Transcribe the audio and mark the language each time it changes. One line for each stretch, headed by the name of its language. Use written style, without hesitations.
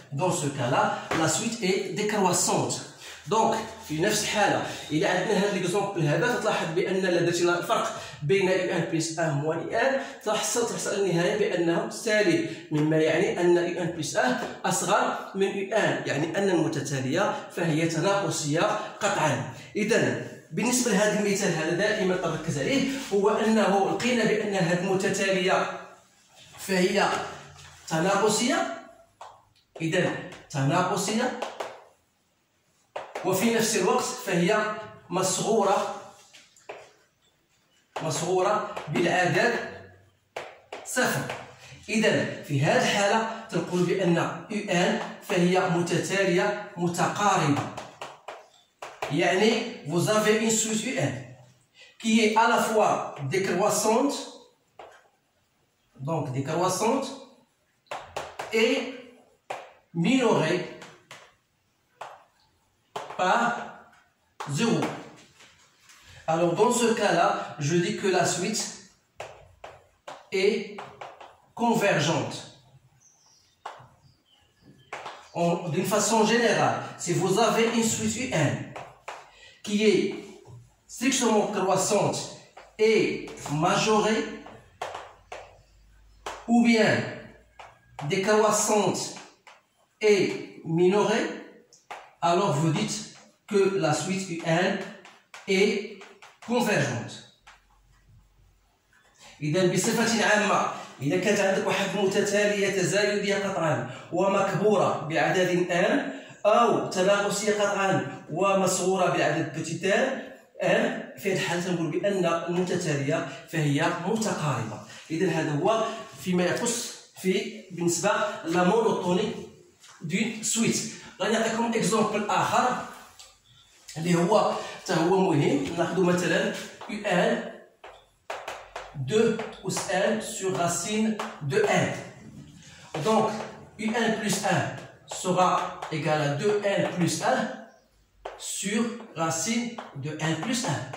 French: Dans ce cas-là, la suite est décroissante. Donc, une chose, il y a un exemple, vous voyez que la différence entre un plus 1 et un, vous voyez que la différence est négative, ce qui veut dire que un plus 1 est plus grand que un, c'est-à-dire que la différence est négative. Donc,
Arabic: بالنسبة لهذا المثال هذا دائما تركز عليه هو أنه لقينا بأن هذه المتتالية فهي تناقصية، إذا تناقصية وفي نفس الوقت فهي مصغورة بالعدد صفر. إذا في هذه الحالة تقول بأن UN فهي متتالية متقاربة.
French: Yani, vous avez une suite UN qui est à la fois décroissante, donc décroissante, et minorée par 0. Alors, dans ce cas-là, je dis que la suite est convergente. D'une façon générale, si vous avez une suite UN qui est strictement croissante et majorée, ou bien décroissante et minorée, alors vous dites que la suite UN est convergente. Et donc, bien sûr,
Arabic: إذا كانت عندك واحد متتالية تزايدية قطعا ومكبورة بعدد n أو تناقصية قطعا ومصغورة بعدد بتيتا n، في هذه الحالة نقول بأن المتتالية فهي متقاربة. إذا هذا هو فيما يخص في بالنسبة لا مونوتوني دون سويت. غادي نعطيكم إكزومبل آخر اللي هو حتى هو مهم. ناخذ مثلا
French: UN 2 plus 1 sur racine de n. Donc, un plus 1 sera égal à 2n plus 1 sur racine de n plus 1.